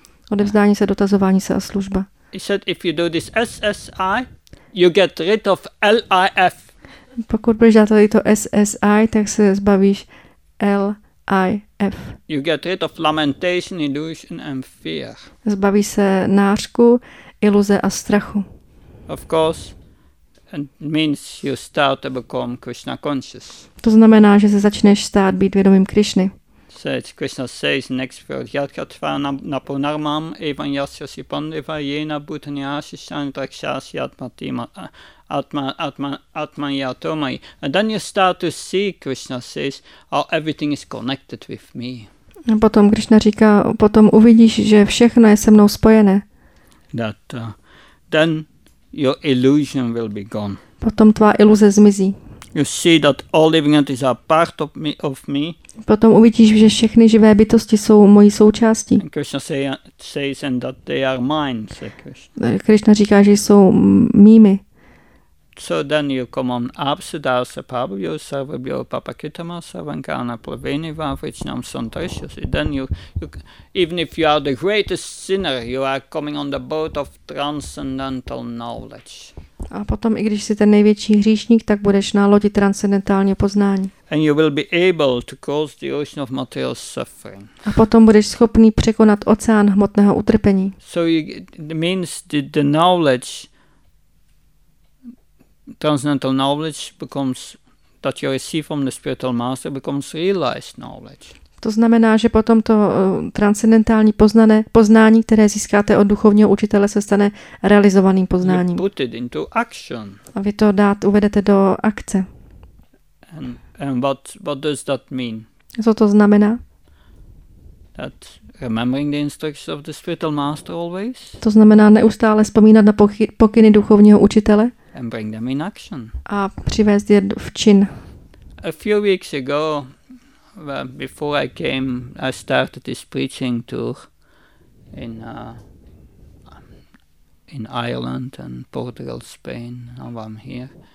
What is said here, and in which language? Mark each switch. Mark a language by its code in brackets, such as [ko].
[cs] Odevzdání se, dotazování se a služba. [en] He said, if you do this SSI, you get rid of LIF. [cs] Pokud budeš dát tady to SSI, tak se zbavíš LIF. [en] You get rid of lamentation, illusion and fear. [cs] Zbaví se nářku, iluze a strachu. [en] Of course, and means you start to become Krishna conscious. [cs] To znamená, že se začneš stát být vědomým Krišny. [en] Says Krishna says next verse [sa] Yatkatva Napunarmam Evan Yasyasi Pandeva Yena Bhutani Ashishan Drakshasi Atmatima Atman Yatomai. [en] And then you start to see, Krishna says, how everything is connected with me. [cs] A potom Krishna říká, potom uvidíš, že všechno je se mnou spojené. [en] That then your illusion will be gone. [cs] Potom tvá iluze zmizí. [en] You see that all living entities are part of me. Of me. [cs] Potom uvidíš, že všechny živé bytosti jsou mojí součástí. [en] And Krishna says and that they are mine, say Krishna. [cs] Krishna říká, že jsou mými. [en] So then you come on [sa] Absidasa Pabyo Sarvabyo Papakitama Savankana Praveni Vavichnam Santasya. [en] Then you even if you are the greatest sinner, you are coming on the boat of transcendental knowledge. [cs] A potom i když jsi ten největší hříšník, tak budeš na lodi transcendentálního poznání. [en] And you will be able to cross the ocean of material suffering. [cs] A potom budeš schopný překonat oceán hmotného utrpení. [en] So it means the knowledge. Transcendental knowledge becomes that you receive from the spiritual master becomes realized knowledge. [cs] To znamená, že potom to transcendentální poznání, které získáte od duchovního učitele, se stane realizovaným poznáním. [en] You put it into action. [cs] A vy to uvedete do akce. [en] And what does that mean? [cs] Co to znamená? [en] That remembering the instructions of the spiritual master always. [cs] To znamená neustále vzpomínat na pokyny duchovního učitele. [en] And bring them in action. [cs] A přivést je v čin. [en] A few weeks ago, well, before I came, I started this preaching tour in Ireland and Portugal, Spain. Now I'm here.